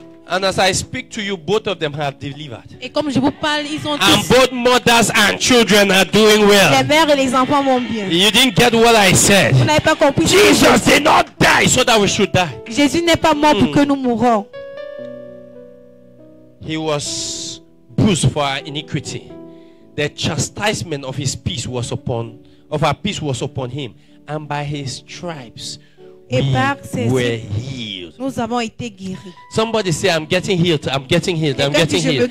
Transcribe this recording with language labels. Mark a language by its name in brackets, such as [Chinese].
[English] And as I speak to you, both of them have delivered. [French] Et comme je vous parle, ils ont [English] and [French] tous [English] both mothers and children are doing well. [French] Les mères et les enfants vont bien. [English] You didn't get what I said. [French] Vous n'avez pas compris. [English] Jesus did not die so that we should die. [French] Jésus n'est pas mort pour que nous mourons. [English] He was bruised for our iniquity. The chastisement of his peace was upon of our peace was upon him, and by his stripes [French] et [English] we [French] par ses [English] were healed. [French] Nous avons été guéris. [English] Somebody say, "I'm getting healed. I'm getting healed. I'm getting healed.